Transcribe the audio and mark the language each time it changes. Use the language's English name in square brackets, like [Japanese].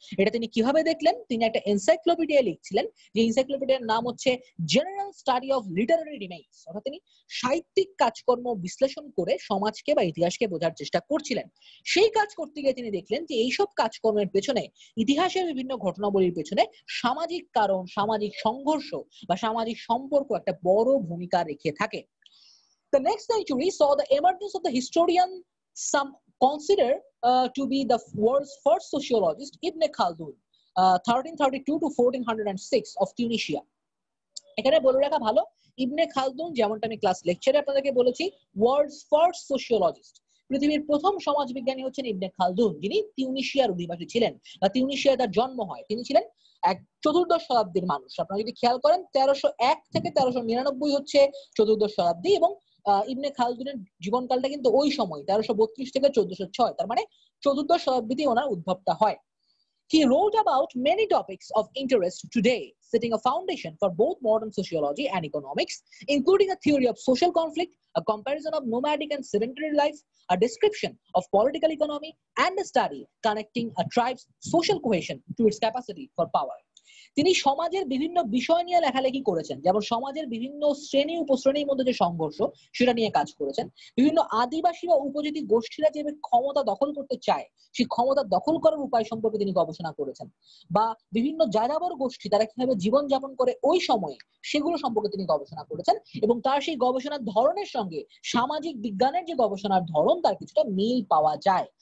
[Bangla] এটা তিনি কিভাবে দেখলেন, তিনি একটা এনসাইক্লোপিডিয়া লিখছিলেন, যে এনসাইক্লোপিডিয়ার নাম হচ্ছে general study of Literary remains, অর্থাৎ তিনি সাহিত্যিক কাজকর্ম বিশ্লেষণ করে সমাজকে বা ইতিহাসকে বোঝার চেষ্টা করছিলেন। সেই কাজ করতে গিয়ে তিনি দেখলেন যে এইসব কাজকর্মের পেছনে, ইতিহাসের বিভিন্ন ঘটনাবলীর পেছনে সামাজিক কারণ, সামাজিক সংঘর্ষ বা সামাজিক সম্পর্ক একটা বড় ভূমিকা রেখে থাকে। [English] The next century saw the emergence of the historian some consider to be the world's first sociologist, Ibn Khaldun, 1332 to 1406 of Tunisia. [Bangla] এখানে বলে রাখা ভালো, ইবনে খালদুন যেমনটা আমি ক্লাস লেকচারে আপনাদেরকে বলেছি, [English] world's first sociologist, [Bangla] পৃথিবীর প্রথম সমাজবিজ্ঞানী হচ্ছেন ইবনে খালদুন, যিনি তিউনিশিয়ার অধিবাসী ছিলেন বা তিউনিশিয়ায় তার জন্ম হয়। তিনি ছিলেন এক চতুর্দশ শতাব্দীর মানুষ। আপনারা যদি খেয়াল করেন 1301 থেকে 1399 হচ্ছে চতুর্দশ শতাব্দী এবং ইবনে খালদুনের জীবনকালটা কিন্তু ওই সময় 1332 থেকে 1406, তার মানে চতুর্দশ শতাব্দীতে ওনার উদ্ভবটা হয়। [English] He wrote about many topics of interest today, setting a foundation for both modern sociology and economics, including a theory of social conflict, a comparison of nomadic and sedentary life, a description of political economy, and a study connecting a tribe's social cohesion to its capacity for power. [Bangla] তিনি সমাজের বিভিন্ন বিষয় নিয়ে লেখালেখি করেছেন, যেমন সমাজের বিভিন্ন শ্রেণী উপশ্রেণীর মধ্যে যে সংঘর্ষ সেটা নিয়ে কাজ করেছেন, বিভিন্ন আদিবাসী বা উপজাতি গোষ্ঠীরা যেভাবে ক্ষমতা দখল করতে চায় সেই ক্ষমতা দখল করার উপায় সম্পর্কে তিনি গবেষণা করেছেন, বা বিভিন্ন যাযাবর গোষ্ঠী তারা কিভাবে জীবনযাপন করে ওই সময়ে সেগুলো সম্পর্কে তিনি গবেষণা করেছেন, এবং তার সেই গবেষণার ধরনের সঙ্গে সামাজিক বিজ্ঞানের যে গবেষণার ধরন তার কিছুটা মিল পাওয়া যায়।